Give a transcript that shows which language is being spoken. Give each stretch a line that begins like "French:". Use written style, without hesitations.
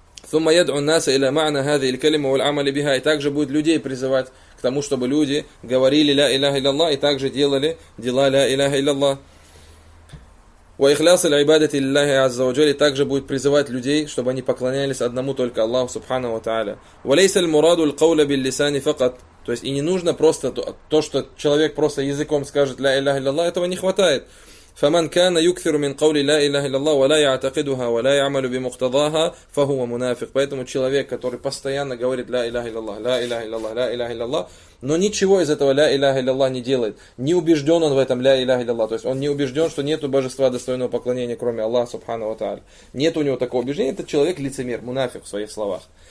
Arabic: «Сумма яд'у наса иля ма'на хази иль калима валь амали биха».
Russian: И также будет людей призывать к тому, чтобы люди говорили «Ля иляха илляллах» и также делали дела «Ля иляха илляллах».
Arabic: وإخلاص العبادة لله عز وجل
Russian: также будет призывать людей, чтобы они поклонялись одному только Аллаху Субхана ва Тааля.
Arabic: وليس المراد القول باللسان فقط.
Russian: То есть и не нужно просто то, что человек просто языком скажет
Arabic: لا إله إلا الله,
Russian: этого не хватает.
Arabic: فمن كان يكثر من قول لا إله إلا الله ولا يعتقدها ولا يعمل بمقتضاها فهو منافق.
Russian: Поэтому человек, который постоянно говорит
Arabic: لا إله إلا الله,
Russian: لا إله إلا الله, لا إله إلا الله, но ничего из этого ля иляха илляллах не делает. Не убежден он в этом ля иляха илляллах. То есть он не убежден, что нету божества достойного поклонения, кроме Аллаха Субхана ва Тааля. Нет у него такого убеждения. Этот человек лицемер, мунафик в своих словах.